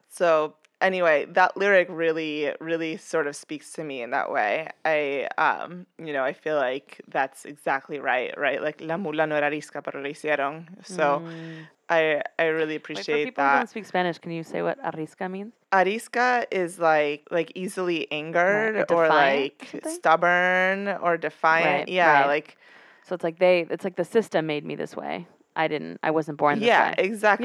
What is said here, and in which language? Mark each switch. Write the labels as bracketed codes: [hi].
[en] So anyway, that lyric really, really sort of speaks to me in that way. I feel like that's exactly right, right? [es] Like, la mula no era arisca, pero la hicieron. [en] So I really appreciate Wait, for people who don't speak Spanish, can you say what arisca means? Arisca is like easily angered or like stubborn or defiant. yeah, right. Like. So it's like the system made me this way. I wasn't born this way. Yeah, exactly.